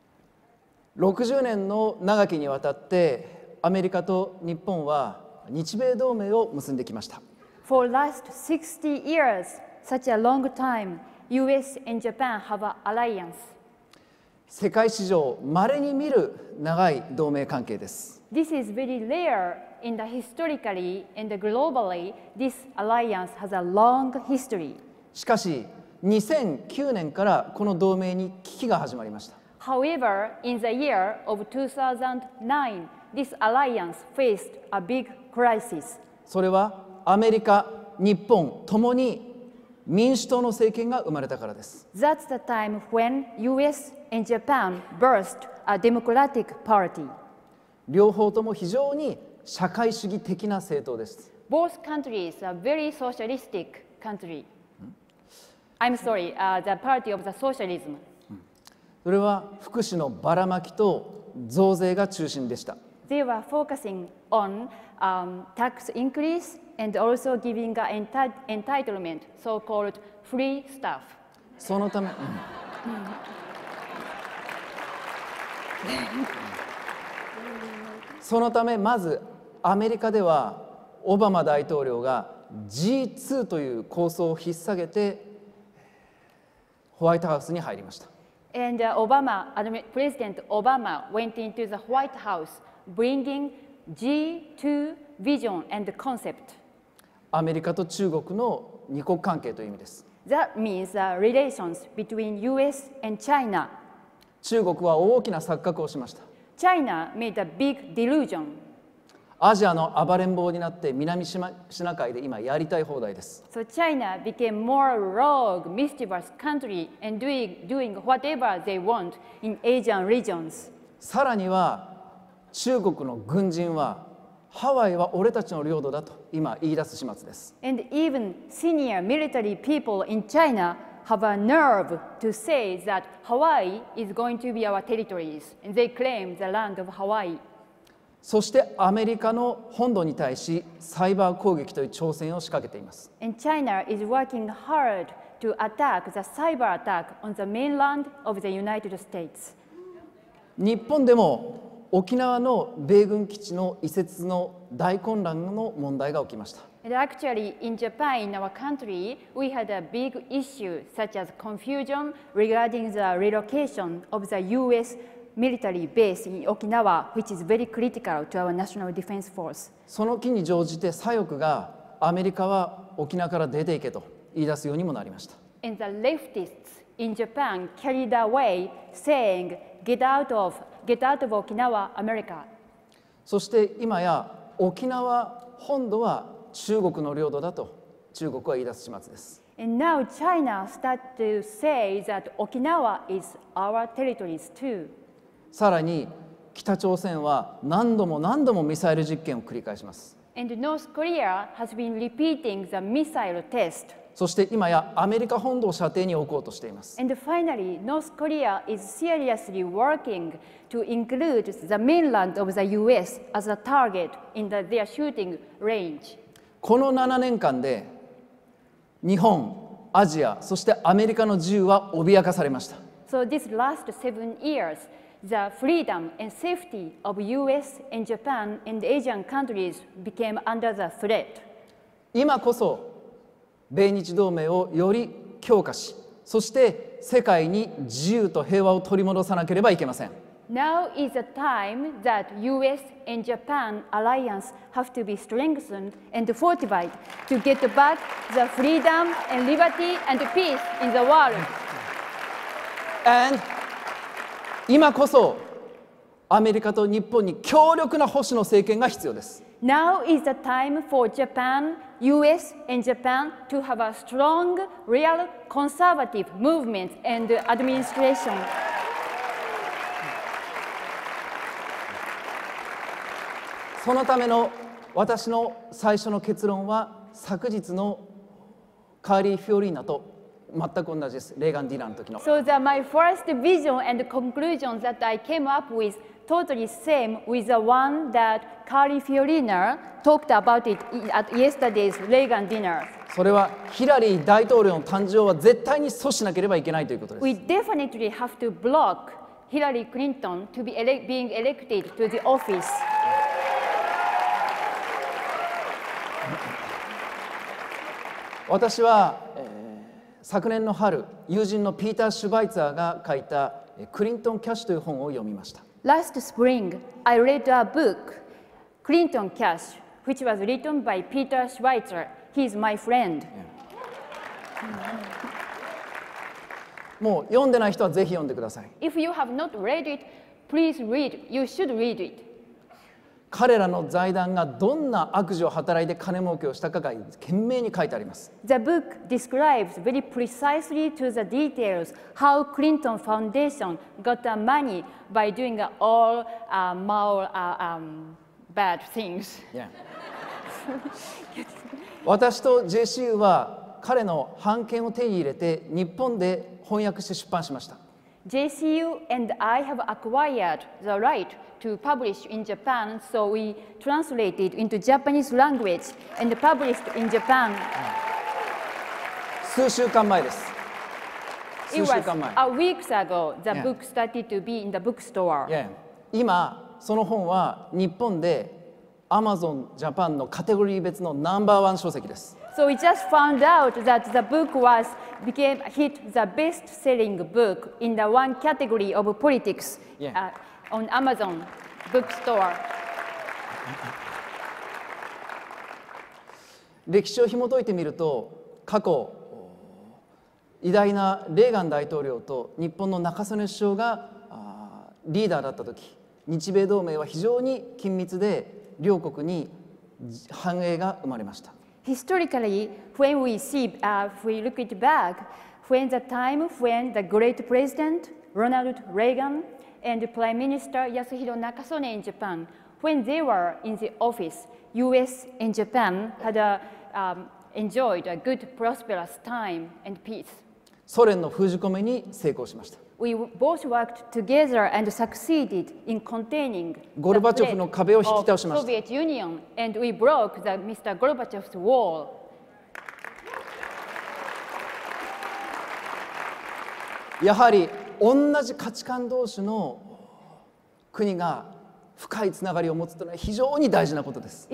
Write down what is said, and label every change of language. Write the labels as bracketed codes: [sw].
[ja] Yeah. 60 年の長きにわたってアメリカと日本は日米同盟を結んできました。 [en] For last 60 years, such a long time, US and Japan have an alliance. [ja] 世界史上稀に見る長い同盟関係です。 [en] This is very rare in the historically and globally, this alliance has a long history. [ja] しかし、2009年からこの同盟に危機が始まりました。 [en] However, in the year of 2009,This alliance faced a big crisis. [ja] それはアメリカ、日本ともに民主党の政権が生まれたからです。 [en] That's the time when US and Japan birthed a democratic party. [ja] 両方とも非常に社会主義的な政党です。 [en] Both countries are very socialistic country. I'm sorry, the party of the socialism. [ja] それは福祉のばらまきと増税が中心でした。 [en] They were focusing on tax increase and also giving entitlement, so-called free stuff. [ja] そのため、そのためまずアメリカではオバマ大統領が G2 という構想を引っ提げてホワイトハウスに入りました。 [en] And Obama, President Obama went into the White House. Bringing G2 vision and concept. [ja] アメリカと中国の二国関係という意味です。 [en] That means the relations between US and China. [ja] 中国は大きな錯覚をしました。 [en] China made a big delusion. [ja] アジアの暴れん坊になって南シナ海で今やりたい放題です。 [en] So China became more rogue, mischievous country and doing whatever they want in Asian regions. [ja] さらには中国の軍人はハワイは俺たちの領土だと今言い出す始末です。 [en] And even senior military people in China have a nerve to say that Hawaii is going to be our territories and they claim the land of Hawaii. [ja] そしてアメリカの本土に対しサイバー攻撃という挑戦を仕掛けています。 [en] And China is working hard to attack the cyber attack on the mainland of the United States. [ja] 日本でも沖縄の米軍基地の移設の大混乱の問題が起きました。 [en] And actually, in Japan, in our country, we had a big issue such as confusion regarding the relocation of the U.S. military base in Okinawa, which is very critical to our national defense force. [ja] その機に乗じて左翼がアメリカは沖縄から出ていけと言い出すようにもなりました。 [en] And the leftists in Japan carried away saying, Get out of Okinawa, America. [ja] そして今や沖縄本土は中国の領土だと中国は言い出す始末です。 [en] And now China start to say that Okinawa is our territories too. [ja] さらに北朝鮮は何度も何度もミサイル実験を繰り返します。 [en] And North Korea has been repeating the missile test. [ja] そして今やアメリカ本土を射程に置こうとしています。 [en] And finally, North Korea is seriously working to include the mainland of the US as a target in their shooting range. [ja] この7年間で日本、アジア、そしてアメリカの自由は脅かされました。 [en] So this last 7 years, the freedom and safety of US and Japan and Asian countries became under the threat. [ja] 今こそ米日同盟をより強化し、そして世界に自由と平和を取り戻さなければいけません。 [en] Now is the time that US and Japan alliance have to be strengthened and fortified to get back the freedom and liberty and peace in the world. [ja] And 今こそアメリカと日本に強力な保守の政権が必要です。 [en] Now is the time for Japan, US and Japan to have a strong, real conservative movement and administration. [ja] そのための私の最初の結論は昨日のカーリー・フィオリーナと全く同じです。レーガン・ディナーの時の。 [en] So that my first vision and conclusion that I came up withTotally same with the one that Carly Fiorina talked about it at yesterday's Reagan dinner. [ja] それはヒラリー大統領の誕生は絶対に阻止しなければいけないということです。 [en] We definitely have to block Hillary Clinton to be being elected to the office. [ja] 私は、昨年の春、友人のピーター・シュバイツァーが書いたクリントン・キャッシュという本を読みました。 [en] Last spring, I read a book, Clinton Cash, which was written by Peter Schweitzer. He is my friend. [ja] もう読んでない人はぜひ読んでください。 [en] If you have not read it, please read. You should read it. [ja] 彼らの財団がどんな悪事を働いて金儲けをしたかが懸命に書いてあります。 [en] The book describes very precisely to the details how Clinton Foundation got the money. By doing all more bad things. Yeah. [ja] 私と JCU は彼の版権を手に入れて日本で翻訳して出版しました。 [en] JCU and I have acquired the right to publish in Japan, so we translated into Japanese language and published in Japan. [ja] 数週間前です。 [en] It was a week ago the book started to be in the bookstore. [ja] Yeah. 今その本は日本で Amazon Japan のカテゴリー別のナンバーワン書籍です。 [en] So we just found out that the book was became hit the best selling book in the one category of politics on Amazon bookstore. [ja] 歴史を紐解いてみると過去偉大なレーガン大統領と日本の中曽根首相がリーダーだった時、日米同盟は非常に緊密で両国に繁栄が生まれました。 [en] Historically, when we see, we look it back, when the time when the great president Ronald Reagan and Prime Minister Yasuhiro Nakasone in Japan when they were in the office, US and Japan had a, enjoyed a good prosperous time and peace. [ja] ソ連の封じ込めに成功しました。 [en] We both worked together and succeeded in containing [ja] ゴルバチョフの壁を引き倒しました。 [en] Soviet Union and we broke the Mr. Gorbachev's wall. [ja] やはり同じ価値観同士の国が深いつながりを持つというのは非常に大事なことです。